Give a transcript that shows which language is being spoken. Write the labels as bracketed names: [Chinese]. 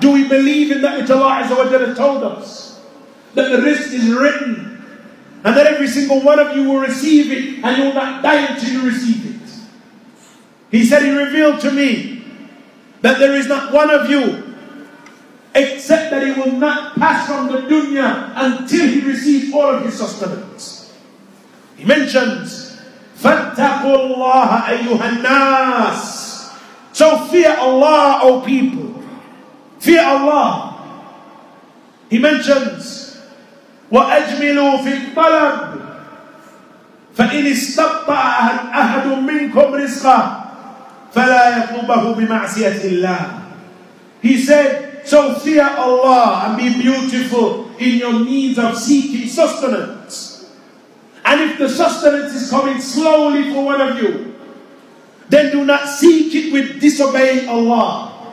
[English] Do we believe in that which Allah Azza wa Jalla told us? That the risk is written, and that every single one of you will receive it, and you will not die until you receive it. He said, he revealed to me that there is not one of you except that he will not pass from the dunya until he receives all of his sustenance. He mentions, [Arabic] فَاتَّقُوا اللَّهَ أَيُّهَا النَّاسِ. [English] So fear Allah, O people. Fear Allah. He mentions, [Arabic] وَأَجْمِلُوا فِي الطَّلَبِ فَإِنِ اسْتَطَّعَ أَحَدٌ مِّنْكُمْ رِزْقًا فَلَا يَطْلُبَهُ بِمَعْسِيَةِ اللَّهِ. [English] He said, so fear Allah and be beautiful in your means of seeking sustenance. And if the sustenance is coming slowly for one of you, then do not seek it with disobeying Allah.